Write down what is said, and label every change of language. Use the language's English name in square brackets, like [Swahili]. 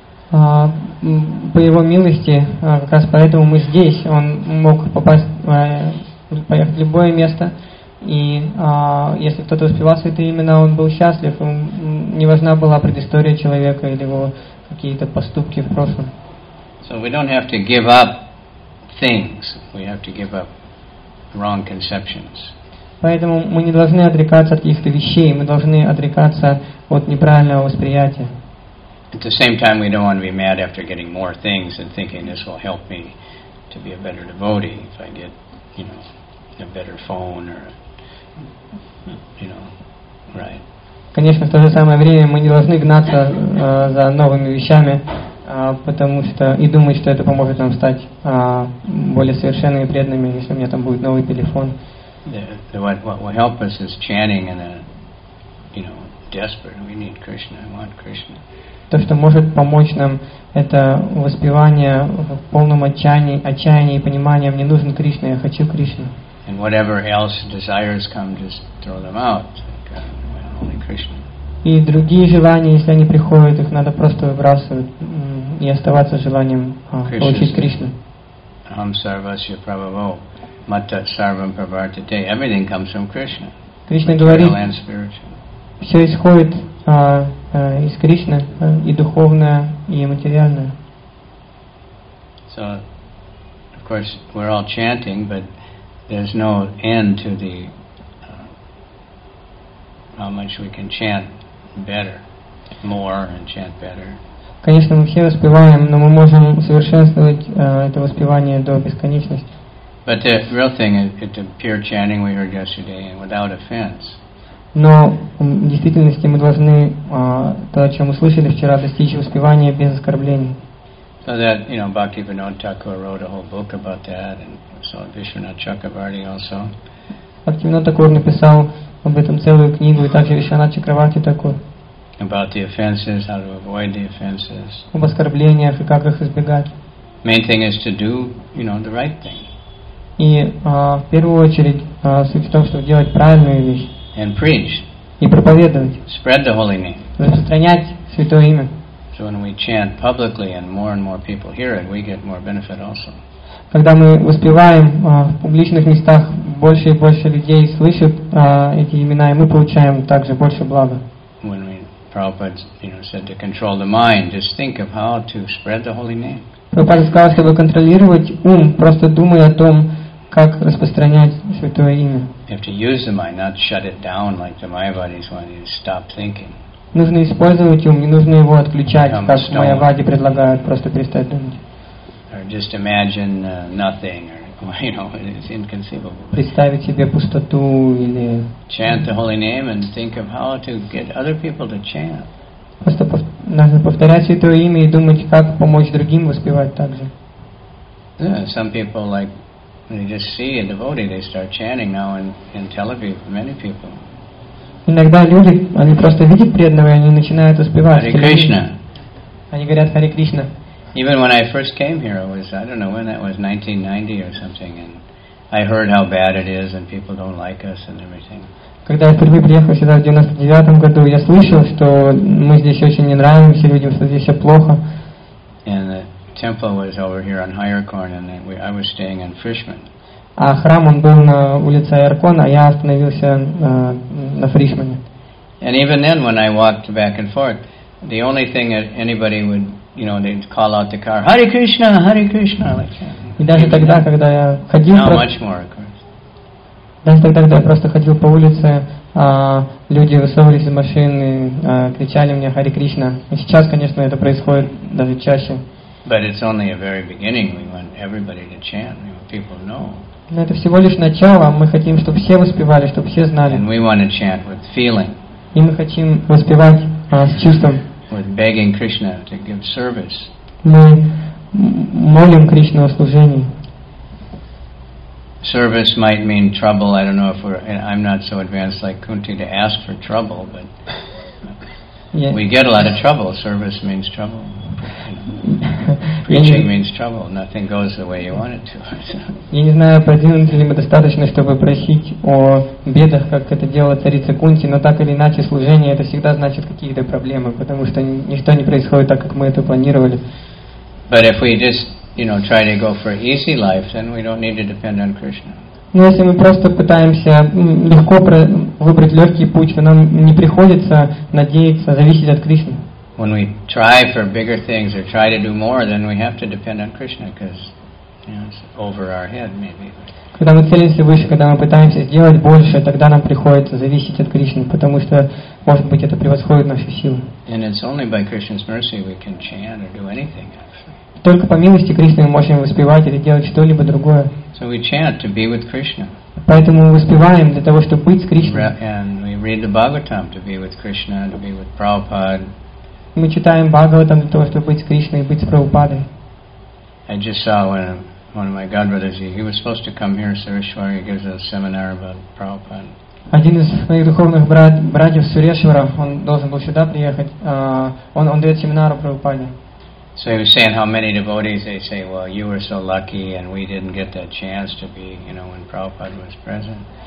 [Russian] По его милости, как раз поэтому мы здесь, он мог попасть поехать в любое место, и если кто-то успевал святые имена, он был счастлив, не важна была предыстория человека или его какие-то поступки в прошлом. [English] So we don't have to give up things, we have to give up wrong conceptions. [Russian] Поэтому мы не должны отрекаться от каких-то вещей, мы должны отрекаться от неправильного восприятия. [English] At the same time, we don't want to be mad after getting more things and thinking this will help me to be a better devotee if I get, you know, a better phone or, you know, right. [Russian] Конечно, в то же самое время мы не должны гнаться за новыми вещами, потому что и думать, что это поможет нам стать более совершенными и преданными, если у меня там будет новый телефон. [English] What will help us is chanting in a, you know, desperate. We need Krishna. I want Krishna. [Russian] То, что может помочь нам, это воспевание в полном отчаянии и понимании. Мне нужен Кришна. Я хочу Кришну. [English] And whatever else desires come, just throw them out. Like, only Krishna. [Russian] И другие желания, если они приходят, их надо просто выбрасывать и оставаться желанием получить Кришну. [Sanskrit] Aham sarvasya prabhavo matat sarvam pravartate. [English] Everything comes from Krishna. [Russian] Кришна говорит, все исходит из Кришны, и духовное, и материальное. [English] So, of course, we're all chanting, but there's no end to the how much we can chant better, more, and chant better. [Russian] Конечно, мы все воспеваем, но мы можем совершенствовать это воспевание до бесконечности. [English] But the real thing is the pure chanting we heard yesterday, and without offense. [Russian] Но в действительности мы должны то, о чем мы слышали вчера, достичь воспевания без оскорблений. [English] So that, you know, Bhaktivinoda Thakur wrote a whole book about that, and so Vishwanath Chakravarti also. [Russian] Bhaktivinoda Thakur написал об этом целую книгу, и также Вишванат Чакраварти такой. [English] About the offenses, how to avoid the offenses. [Russian] Об оскорблениях и как их избегать. [English] Main thing is to do, you know, the right thing. [Russian] И в первую очередь суть в том, чтобы делать правильную вещь. [English] And preach. [Russian] И проповедовать. [English] Spread the holy name. [Russian] Распространять святое имя. [English] So when we chant publicly and more people hear it, we get more benefit also. [Russian] Когда мы воспеваем в публичных местах, больше и больше людей слышат эти имена, и мы получаем также больше блага. [English] When Prabhupada, you know, said to control the mind, just think of how to spread the holy name. [Russian] Прабхупада сказал, чтобы контролировать ум, просто думая о том, как распространять святое имя. [English] You have to use the mind, not shut it down like the Mayavadis want you to stop thinking. [Russian] Нужно использовать ум, не нужно его отключать, как Майявади предлагают, просто перестать думать. [English] Or just imagine nothing, or, you know, it's inconceivable. [Russian] Представить себе пустоту или... [English] Chant the holy name and think of how to get other people to chant. [Russian] Просто нужно повторять святое имя и думать, как помочь другим воспевать так же. [English] Yeah, some people like, they just see a devotee, they start chanting now in Tel Aviv, many people. [Russian] Иногда люди, они просто видят преданного, и они начинают воспевать. [Sanskrit] Hare Krishna. [Russian] Они говорят Hare Krishna. [English] Even when I first came here, it was, I don't know when that was, 1990 or something, and I heard how bad it is, and people don't like us and everything. [Russian] Когда я впервые приехал сюда в 99-м году, я слышал, что мы здесь очень не нравимся людям, что здесь все плохо. [English] And the temple was over here on Hyrcorn, and I was staying in Frischmann. [Russian] А храм, он был на улице Айркон, а я остановился на Фришмане. [English] And even then, when I walked back and forth, the only thing that anybody would, you know, they'd call out the car, Hare Krishna, Hare Krishna. [Russian] И даже тогда, когда я ходил... [English] Now much more, of course. [Russian] Даже тогда, когда я просто ходил по улице, люди высовывались из машины, кричали мне Hare Krishna. И сейчас, конечно, это происходит даже чаще. [English] But it's only a very beginning. We want everybody to chant. You know, people know. [Russian] Но это всего лишь начало. Мы хотим, чтобы все воспевали, чтобы все знали. [English] And we want to chant with feeling. [Russian] И мы хотим воспевать с чувством. [English] With begging Krishna to give service. [Russian] Мы молим Кришну о служении. [English] Service might mean trouble. I don't know if we're. I'm not so advanced like Kunti to ask for trouble, but yeah. We get a lot of trouble. Service means trouble. Preaching means trouble. Nothing goes the way you want it to. [Russian] Я не знаю, продвинуты ли мы достаточно, чтобы просить о бедах, как это делала царица Кунти, но так или иначе служение это всегда значит какие-то проблемы, потому что ничто не происходит так, как мы это планировали. [English] But if we just, you know, try to go for easy life, then we don't need to depend on Krishna. [Russian] Но если мы просто пытаемся легко выбрать легкий путь, то нам не приходится надеяться, зависеть от Кришны. [English] When we try for bigger things or try to do more, then we have to depend on Krishna because, you know, it's over our head maybe. [Russian] Когда мы целимся выше, когда мы пытаемся сделать больше, тогда нам приходится зависеть от Кришны, потому что, может быть, это превосходит наши силы. [English] And it's only by Krishna's mercy we can chant or do anything actually. [Russian] Только по милости Кришны мы можем воспевать или делать что-либо другое. [English] So we chant to be with Krishna. [Russian] Поэтому мы воспеваем для того, чтобы быть с Кришной. [English] And we read the Bhagavatam to be with Krishna, to be with Prabhupada. [Russian] Мы читаем Бхагаватам для того, чтобы быть с Кришной и быть с Прабхупадой. [English] I just saw when one of my godbrothers, he was supposed to come here, Сурешвара, he gives a seminar about Prabhupada. [Russian] Один из моих духовных братьев Сурешвара, он должен был сюда приехать, он дает семинар о Прабхупаде. [English] So he was saying how many devotees, they say, well, you were so lucky and we didn't get that chance to be, you know, when Prabhupada was present.